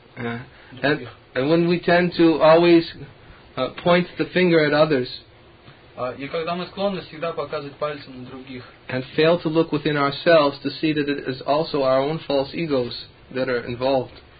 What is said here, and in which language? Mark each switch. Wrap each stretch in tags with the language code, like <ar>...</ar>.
<en>And when we tend to always point the finger at others,</en> <ru>и когда мы склонны всегда показывать пальцем на других,</ru> <en>and fail to look within ourselves to see that it is also our own false egos that are involved.</en>